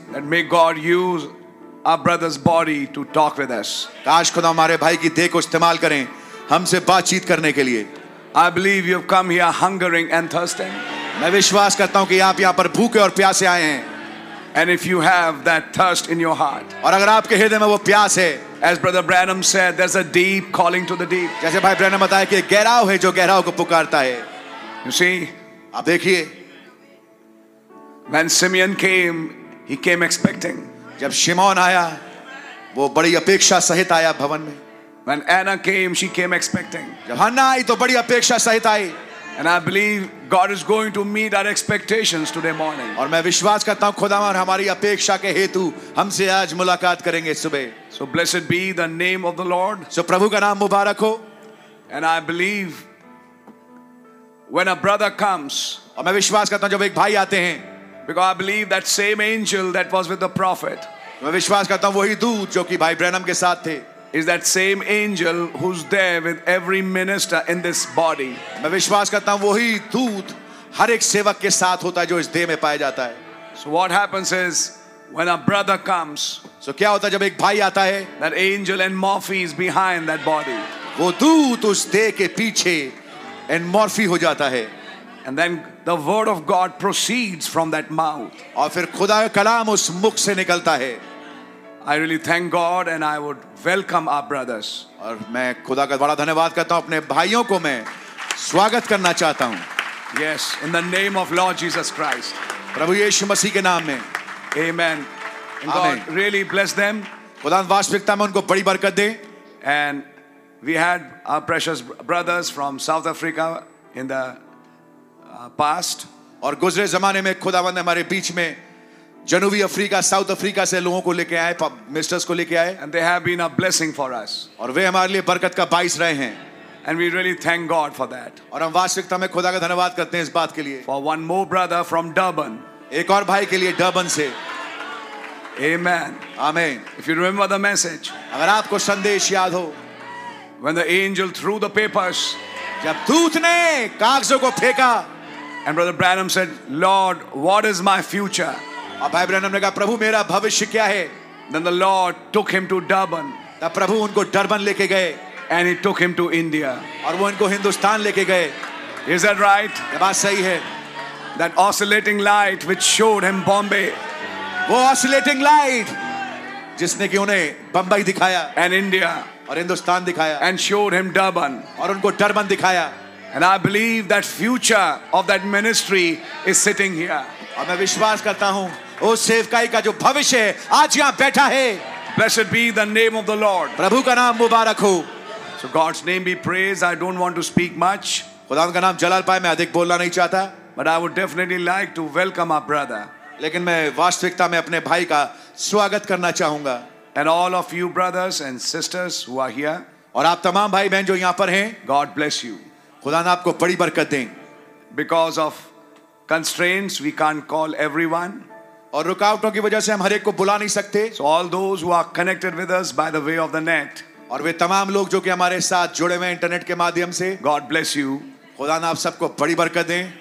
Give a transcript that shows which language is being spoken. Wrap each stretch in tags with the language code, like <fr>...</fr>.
<en>That may God use our brothers body to talk with us.</en> <hi>काश खुदा हमारे भाई की देह को इस्तेमाल करें हमसे बातचीत करने के लिए.</hi> <en>I believe you have come here hungering and thirsting.</en> <hi>मैं विश्वास करता हूं कि आप यहां पर भूखे और प्यासे आए हैं.</hi> <en>And if you have that thirst in your heart.</en> <hi>और अगर आपके हृदय में वो प्यास है.</hi> <en>As Brother Branham said, there's a deep calling to the deep.</en> <hi>जैसे भाई ब्रैनम बताया कि गहराव है जो गहराव को पुकारता है.</hi> <en>You see,</en> <hi>आप देखिए.</hi> <en>When Simeon came, he came expecting.</en> <hi>जब शिमोन आया वो बड़ी अपेक्षा सहित आया भवन में.</hi> <en>When Anna came, she came expecting.</en> <hi>जब हन्ना आई तो बड़ी अपेक्षा सहित आई.</hi> <en>And I believe God is going to meet our expectations today morning.</en> <hi>और मैं विश्वास करता हूँ खुदा और हमारी अपेक्षा के हेतु हमसे आज मुलाकात करेंगे सुबह.</hi> <en>So blessed be the name of the Lord.</en> <hi>So प्रभु का नाम मुबारक हो.</hi> <en>And I believe when a brother comes.</en> <hi>और मैं विश्वास करता हूँ जब एक भाई आते हैं.</hi> <en>Because I believe that same angel that was with the prophet.</en> <hi>मैं विश्वास करता हूँ वही दूत जो कि भाई ब्रैनम के साथ थे.</hi> <en>Is that same angel who's there with every minister in this body?</en> <hi>मैं विश्वास करता हूँ वही दूत हर एक सेवक के साथ होता है जो इस देह में पाया जाता है.</hi> <en>So what happens is when a brother comes.</en> <hi>So क्या होता है जब एक भाई आता है?</hi> <en>That angel and morphy is behind that body.</en> <hi>वो दूत उस देह के पीछे</hi> <en>and morphy</en> <hi>हो जाता है.</hi> <en>And then the word of God proceeds from that mouth.</en> <hi>और फिर खुदा का कलाम उस मुख से निकलता है.</hi> <en>I really thank God and I would welcome our brothers.</en> <hi>और मैं खुदा का बड़ा धन्यवाद करता हूँ अपने भाइयों को मैं स्वागत करना चाहता हूँ.</hi> <en>Yes, in the name of Lord Jesus Christ.</en> <hi>प्रभु यीशु मसीह के नाम में.</hi> <en>Amen. God really bless them.</en> <hi>खुदा वास्तविकता में उनको बड़ी बरकत दे.</hi> <en>And we had our precious brothers from South Africa in the past.</en> <hi>और गुजरे जमाने में खुदावंद ने हमारे बीच में जनूबी अफ्रीका साउथ अफ्रीका से लोगों को लेके आए मिस्टर्स को लेके आए.</hi> <en>And they have been a blessing for us.</en> <hi>और वे हमारे लिए बरकत का बाइस रहे हैं.</hi> <en>And we really thank God for that.</en> <hi>और हम वास्तविकता में खुदा का धन्यवाद करते हैं इस बात के लिए.</hi> <en>For one more brother from Durban.</en> <hi>एक और भाई के लिए डर्बन से.</hi> <en>Amen.</en> <hi>Amen.</hi> <en>If you remember the message.</en> <hi>अगर आपको संदेश याद हो.</hi> <en>When the angel threw the papers.</en> <hi>जब दूत ने कागजों को फेंका.</hi> <en>And Brother Branham said, Lord, what is my future?</en> <hi>और भाई ब्रैनम ने कहा प्रभु मेरा भविष्य क्या है.</hi> <en>Then the Lord took him to Durban.</en> <hi>तब प्रभु उनको डर्बन लेके गए.</hi> <en>And he took him to India.</en> <hi>और वो इनको हिंदुस्तान लेके गए.</hi> <en>Is that right?</en> <hi>ये बात सही है.</hi> <en>That oscillating light which showed him Bombay.</en> <hi>वो</hi> <en>oscillating light</en> <hi>जिसने कि उन्हें बंबई दिखाया.</hi> <en>And India.</en> <hi>और हिंदुस्तान दिखाया.</hi> <en>And showed him Durban.</en> <hi>और उनको डर्बन दिखाया.</hi> <en>And I believe that future of that ministry is sitting here.</en> <hi>और मैं विश्वास करता हूँ उस सेवकाई का जो भविष्य है आज यहाँ बैठा है.</hi> <en>Blessed be the name of the Lord.</en> <hi>प्रभु का नाम मुबारक हो.</hi> <en>So God's name be praised. I don't want to speak much.</en> <hi>खुदा का नाम जलाल पाए मैं अधिक बोलना नहीं चाहता.</hi> <en>But I would definitely like to welcome our brother.</en> <hi>लेकिन मैं वास्तविकता में अपने भाई का स्वागत करना चाहूंगा.</hi> <en>And all of you brothers and sisters who are here.</en> <hi>और आप तमाम भाई बहन जो यहाँ पर हैं.</hi> <en>God bless you.</en> <hi>खुदा ने आपको बड़ी बरकत दें.</hi> <en>Because of constraints, we can't call everyone.</en> <hi>और रुकावटों की वजह से हम हर एक को बुला नहीं सकते.</hi> <en>So all those who are connected with us by the way of the net.</en> <hi>और वे तमाम लोग जो कि हमारे साथ जुड़े हुए इंटरनेट के माध्यम से.</hi> <en>God bless you.</en> <hi>खुदा ने आप सबको बड़ी बरकत दें.</hi>